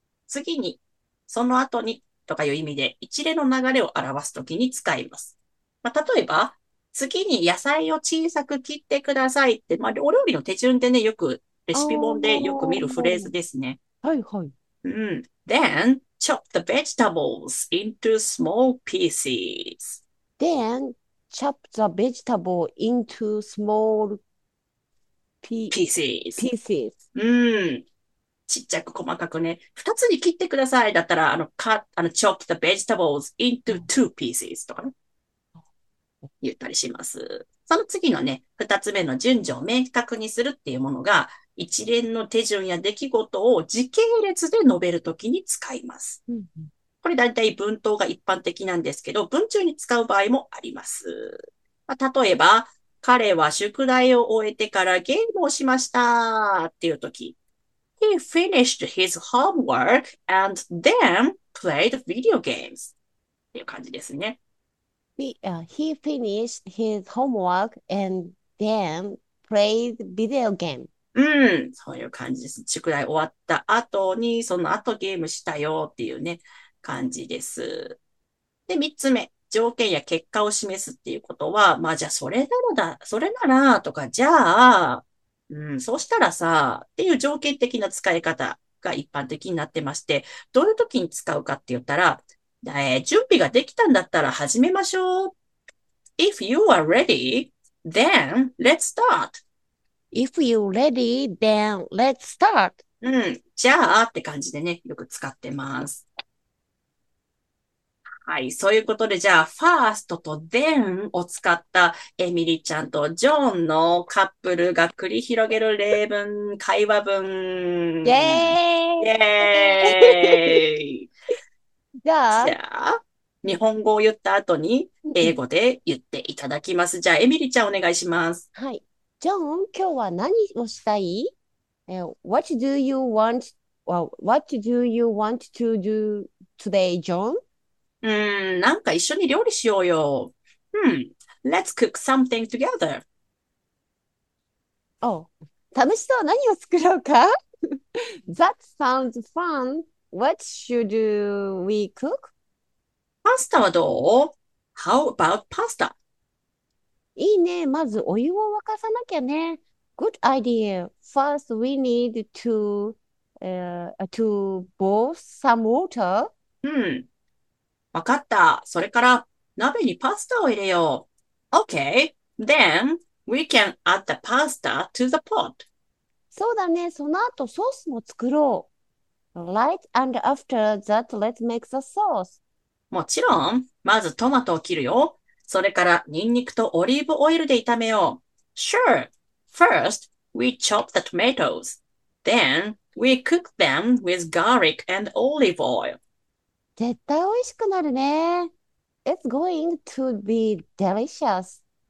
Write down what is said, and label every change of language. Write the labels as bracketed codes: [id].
[ja] 次に、その後にとかいう意味で一連の流れを表すときに使います。まあ、例えば、次に野菜を小さく切ってくださいって、まあ、お料理の手順でね、よく、レシピ本でよく見るフレーズですね。はい、はい。 [en] Then, chop the vegetables into small pieces. Then, chop the vegetable into small pieces. pieces. [ja] ちっちゃく細かくね、二つに切ってくださいだったら、 [en] chop the vegetables into two pieces [ja] とかね。言ったりします。その次のね、二つ目の順序を明確にするっていうものが、一連の手順や出来事を時系列で述べるときに使います。これだいたい文頭が一般的なんですけど、文中に使う場合もあります。まあ、例えば、彼は宿題を終えてからゲームをしましたっていうとき。 [en] He finished his homework and then played video games. [ja] っていう感じですね。 [en] He finished his homework and then played video game. [ja] そういう感じです。宿題終わった後に、その後ゲームしたよっていうね、感じです。で、三つ目。条件や結果を示すっていうことは、まあじゃあそれならだ、それならとか、じゃあ、そうしたらさ、っていう条件的な使い方が一般的になってまして、どういう時に使うかって言ったら、準備ができたんだったら始めましょう。 [en] If you are ready, then let's start. If you're ready, then let's start. [ja] じゃあって感じでね、よく使ってます。はい、そういうことで、じゃあ、first と then を使ったエミリちゃんとジョンのカップルが繰り広げる例文、会話イ文。イェーイ。エーイ。じじゃあ、ゃあ、日本語を言った後に英語で言っていただきます。じゃあ、エミリちゃんお願いします。はい。ジョン、今日は何をしたい？ [en] What do you want? Well, what do you want to do today, John? [ja] なんか一緒に料理しようよ。 [en] Let's cook something together. [ja] お、楽しそう。何を作ろうか？ [en] That sounds fun. What should we cook? [ja] パスタはどう？ [en] How about pasta? [ja] いいね。まずお湯を沸かさなきゃね。 [en] Good idea. First, we need to boil some water. [ja] わかった。それから、鍋にパスタを入れよう。 [en] Okay. Then, we can add the pasta to the pot. [ja] そうだね。その後ソースも作ろう。 [en] Right and after that, let's make the sauce. [ja] もちろん、まずトマトを切るよ。それから、ニンニクとオリーブオイルで炒めよう。 [en] Sure. First, we chop the tomatoes. Then, we cook them with garlic and olive oil. [ja] 絶対美味しくなるね。 [en] It's going to be delicious.